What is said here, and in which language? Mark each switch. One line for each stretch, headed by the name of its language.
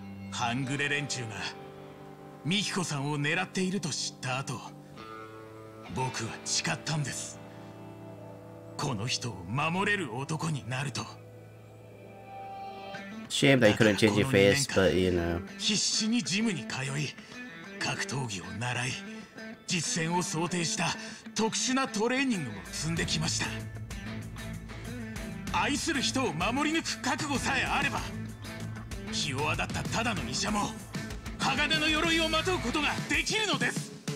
Japanese: ハングレ連中がミキコさんを狙っていると知った後、僕は誓ったんです。この人を守れる男になると。
English: Shame that you couldn't change your face, but you know.
Japanese: 必死にジムに通い、格闘技を習い、実戦を想定した特殊なトレーニングも積んできました。愛する人を守り抜く覚悟さえあれば、ひ弱だったただの医者も鋼の鎧をまとうことができるのです。